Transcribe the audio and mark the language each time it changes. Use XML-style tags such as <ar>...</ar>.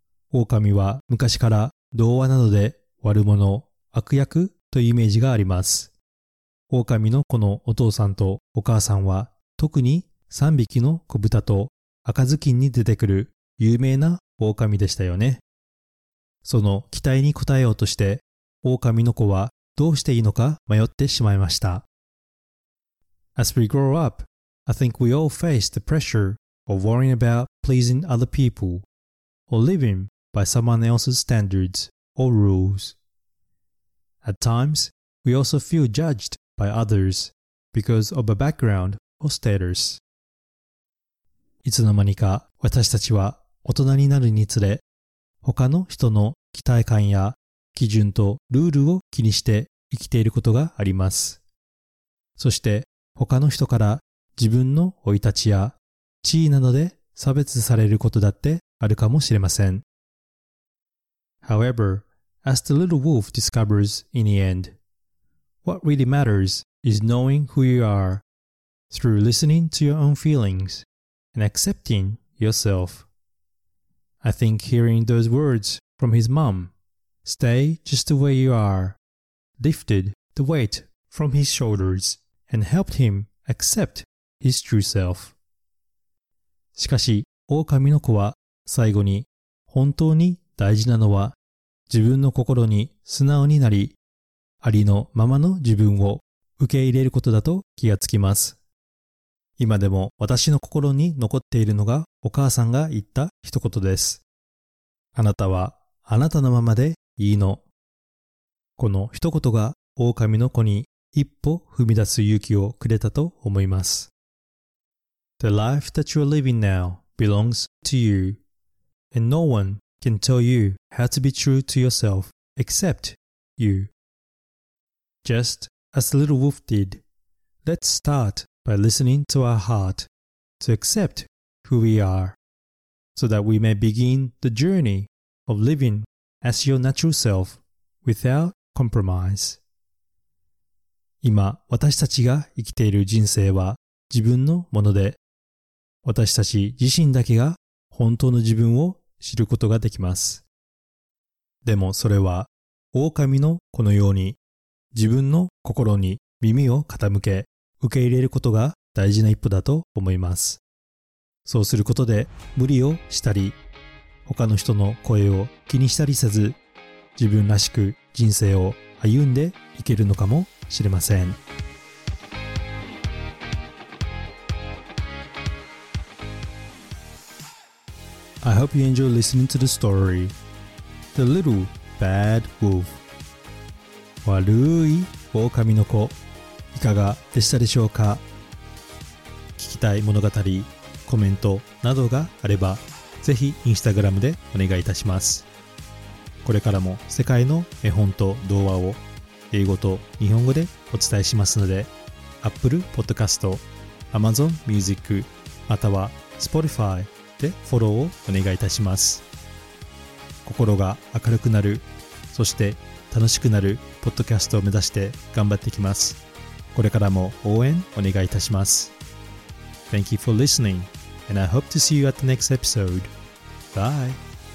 <ja>狼は昔から童話などで悪者、悪役というイメージがあります。狼のこのお父さんとお母さんは、特に3匹の子豚と赤ずきんに出てくる有名な狼でしたよね。その期待に応えようとして、狼の子はどうしていいのか迷ってしまいました。</ja> <en>As we grow up, I think we all face the pressure of worrying about pleasing other people or living. By someone else's standards or rules. At times, we also feel judged by others because of a background or status.</en> <ja>いつの間にか私たちは大人になるにつれ、他の人の期待感や基準とルールを気にして生きていることがあります。そして他の人から自分の生い立ちや地位などで差別されることだってあるかもしれません。</ja> <en>However, as the little wolf discovers in the end, what really matters is knowing who you are, through listening to your own feelings and accepting yourself. I think hearing those words from his mom, "Stay just the way you are," lifted the weight from his shoulders and helped him accept his true self.</en> <ja>しかし、狼の子は最後に、本当に大事なのは自分の心に素直になり、ありのままの自分を受け入れることだと気がつきます。今でも私の心に残っているのがお母さんが言った一言です。あなたはあなたのままでいいの。この一言が狼の子に一歩踏み出す勇気をくれたと思います。</ja> <en>The life that you are living now belongs to you, and no one can tell you how to be true to yourself except you. Just as the little wolf did, let's start by listening to our heart to accept who we are, so that we may begin the journey of living as your natural self without compromise.</en> <ja>今、私たちが生きている人生は自分のもので、私たち自身だけが本当の自分を知ることができます。でもそれは、狼の子のように自分の心に耳を傾け、受け入れることが大事な一歩だと思います。そうすることで無理をしたり、他の人の声を気にしたりせず、自分らしく人生を歩んでいけるのかもしれません。</ja> <en>I hope you enjoy listening to the story, The Little Bad Wolf.</en> <ja>悪い狼の子、いかがでしたでしょうか？聞きたい物語、コメントなどがあれば、ぜひインスタグラムでお願いいたします。これからも世界の絵本と童話を英語と日本語でお伝えしますので、Apple Podcast、Amazon Music、または Spotify、でフォローをお願いいたします。心が明るくなる、そして楽しくなるポッドキャストを目指して頑張っていきます。これからも応援お願いいたします。</ja> <en>Thank you for listening, and I hope to see you at the next episode. Bye.</en>